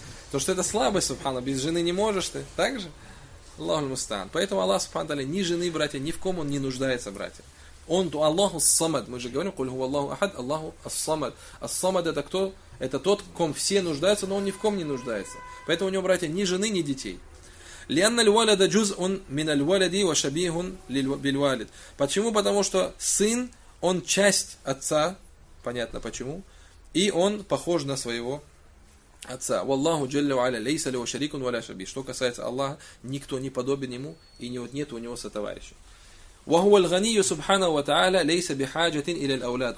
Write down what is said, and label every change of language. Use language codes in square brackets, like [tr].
[ru] То, что это слабость, Субхану, без жены не можешь ты. Так же? Аллаху мустаан. Поэтому Аллах, Субхану Ва-Тааля, ни жены, братья, ни в ком он не нуждается, братья. Он – Аллаху ас-самад. Мы же говорим, [ar] «Куль хуа Аллаху ахад, Аллаху ас-самад». [ru] Ас-самад – это кто? Это тот, в ком все нуждаются, но он ни в ком не нуждается. Поэтому у него, братья, ни жены, ни детей. [ar] لأن الولد جزء من الولد وشبيه للوالد. [ru] Почему? Потому что сын, он часть отца, понятно почему, и он похож на своего отца. [ar] Валлаху джалля ва аля, лейса ля шарикун ва ля шаби. [ru] Что касается Аллаха, никто не подобен ему, и нет у него сотоварища. [ar] وَهُوَ الْغَنِيُّ سُبْحَانَهُ وَتَعَالَى لَيْسَ بِحَاجَةٍ إِلَى الْأَوْلَادِ.